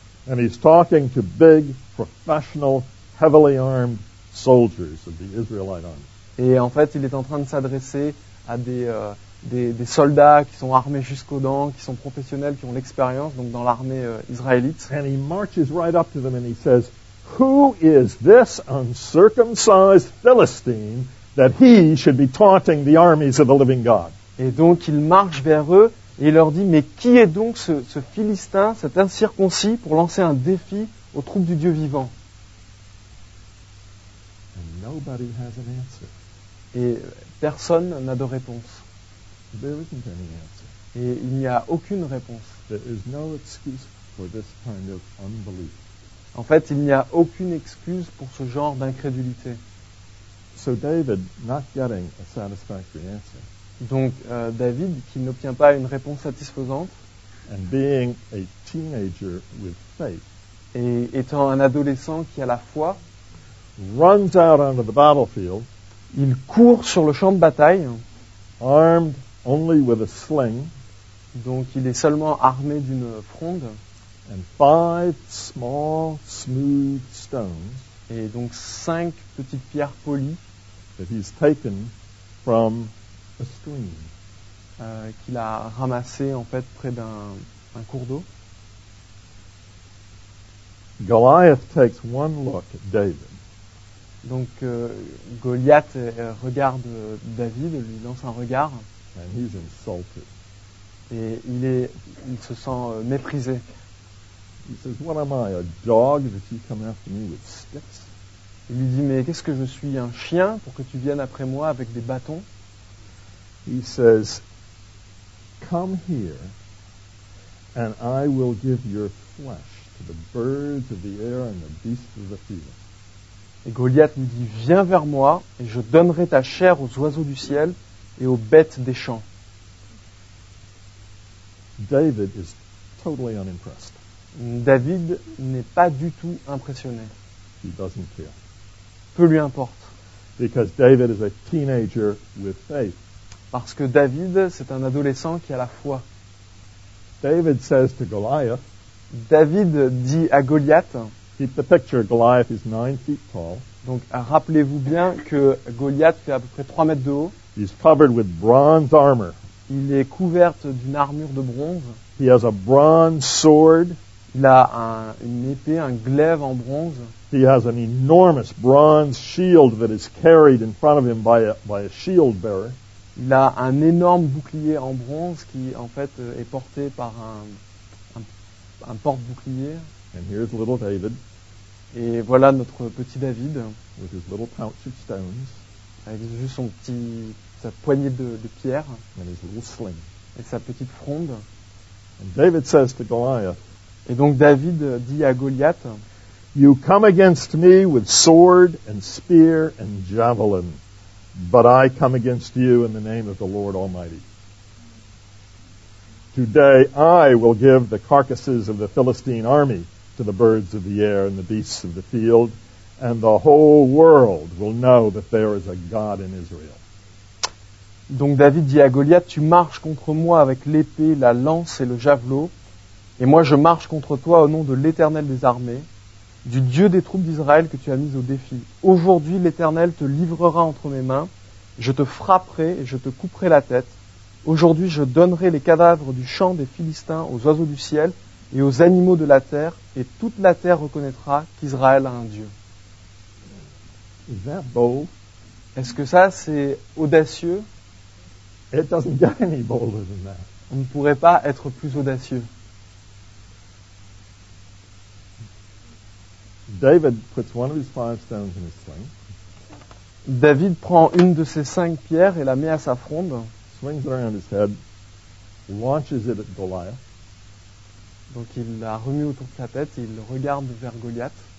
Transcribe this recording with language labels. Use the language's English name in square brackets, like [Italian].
[English] And he's talking to big, professional, heavily armed soldiers of the Israelite army. [French] Et en fait, il est en train de s'adresser à des soldats qui sont armés jusqu'aux dents, qui sont professionnels, qui ont l'expérience, donc dans l'armée israélite. [English] And he marches right up to them and he says, "Who is this uncircumcised Philistine that he should be taunting the armies of the living God?" [French] Et donc, il marche vers eux. Et il leur dit, mais qui est donc ce Philistin, cet incirconcis, pour lancer un défi aux troupes du Dieu vivant? [English] And nobody has an answer. [French] Et personne n'a de réponse. [English] There isn't any answer. [French] Et il n'y a aucune réponse. [English] There is no excuse for this kind of unbelief. [French] En fait, il n'y a aucune excuse pour ce genre d'incrédulité. [English] So David, not getting a satisfactory answer. [French] Donc David, qui n'obtient pas une réponse satisfaisante, [English] and being a teenager with faith, [French] et étant un adolescent qui a la foi, [English] runs out onto the battlefield, [French] il court sur le champ de bataille, [English] armed only with a sling, [French] donc il est seulement armé d'une fronde, [English] and five small smooth stones, [French] et donc cinq petites pierres polies, [English] that he's taken from a stream. [French] Qu'il a ramassé en fait près d'un cours d'eau. [English] Goliath takes one look at David. [French] Donc Goliath regarde David, lui lance un regard. [English] And he's insulted. [French] Et il se sent méprisé. [English] He says, "What am I, a dog that you come after me with sticks?" [French] Il lui dit, mais qu'est-ce que je suis, un chien pour que tu viennes après moi avec des bâtons? [English] He says, "Come here, and I will give your flesh to the birds of the air and the beasts of the field." [French] Et Goliath lui dit, "Viens vers moi, et je donnerai ta chair aux oiseaux du ciel et aux bêtes des champs." [English] David is totally unimpressed. [French] David n'est pas du tout impressionné. [English] He doesn't care. [French] Peu lui importe. [English] Because David is a teenager with faith. [French] Parce que David, c'est un adolescent qui a la foi. [English] David says to Goliath. [French] David dit à Goliath. [English] Keep the picture. Goliath is 9 feet tall. [French] Donc rappelez-vous bien que Goliath fait à peu près 3 mètres de haut. [English] He's covered with bronze armor. [French] Il est couvert d'une armure de bronze. [English] He has a bronze sword. [French] Il a une épée, un glaive en bronze. [English] He has an enormous bronze shield that is carried in front of him by a shield bearer. [French] Il a un énorme bouclier en bronze qui en fait est porté par un porte-bouclier. [English] And here's little David. [French] Et voilà notre petit David. [English] With his little pouch of stones. [French] Avec juste son petit sa poignée de pierre. [English] And his little sling. [French] Et sa petite fronde. [English] And David says to Goliath. [French] Et donc David dit à Goliath, [English] You come against me with sword and spear and javelin, but I come against you in the name of the Lord Almighty. Today I will give the carcasses of the Philistine army to the birds of the air and the beasts of the field, and the whole world will know that there is a God in Israel. [French] Donc David dit à Goliath, Tu marches contre moi avec l'épée, la lance et le javelot. Et moi, je marche contre toi au nom de l'Éternel des armées, du Dieu des troupes d'Israël que tu as mis au défi. Aujourd'hui, l'Éternel te livrera entre mes mains. Je te frapperai et je te couperai la tête. Aujourd'hui, je donnerai les cadavres du champ des Philistins aux oiseaux du ciel et aux animaux de la terre, et toute la terre reconnaîtra qu'Israël a un Dieu. [English] Is that bold? [French] Est-ce que ça, c'est audacieux? [English] It doesn't get any bolder than that. [French] On ne pourrait pas être plus audacieux. [English] David puts one of his five stones in his sling. [French] David prend une de ses cinq pierres et la met à sa fronde. [English] Swings it around his head, launches it at Goliath. [French] Donc il la remue autour de sa tête et il regarde vers Goliath.